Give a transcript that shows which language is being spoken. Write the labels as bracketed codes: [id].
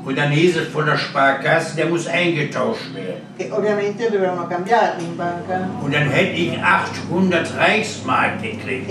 [de] Und dann hieß es von der Sparkasse, der muss eingetauscht werden. [it] Ovviamente dovevano cambiarli in banca. [de] Und dann hätte ich 800 Reichsmark gekriegt.